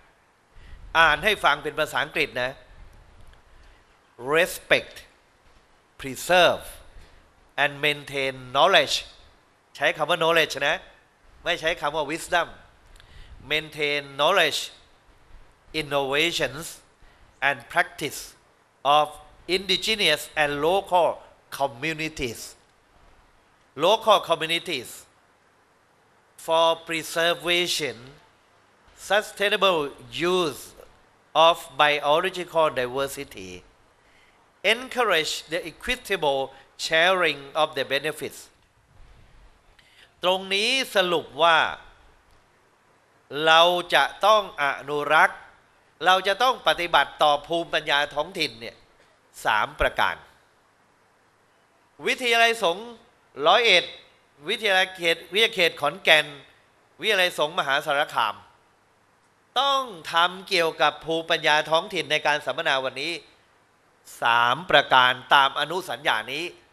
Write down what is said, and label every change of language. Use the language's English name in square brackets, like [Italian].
[Thai] ๆอ่านให้ฟังเป็นภาษาอังกฤษนะ [English] Respect Preserve and Maintain Knowledge [Thai] ใช้คำว่า Knowledge นะไม่ใช้คำว่า [English] WisdomMaintain knowledge, innovations, and practice of indigenous and local communities. Local communities for preservation, sustainable use of biological diversity. Encourage the equitable sharing of the benefits. [Thai] ตรงนี้สรุปว่าเราจะต้องอนุรักษ์เราจะต้องปฏิบัติต่อภูมิปัญญาท้องถิ่นเนี่ย3ประการวิทยาลัยสงฆ์101วิทยาลัยเขตวิทยาเขตขอนแก่นวิทยาลัยสงฆ์มหาสารคามต้องทำเกี่ยวกับภูมิปัญญาท้องถิ่นในการสัมมนาวันนี้3ประการตามอนุสัญญานี้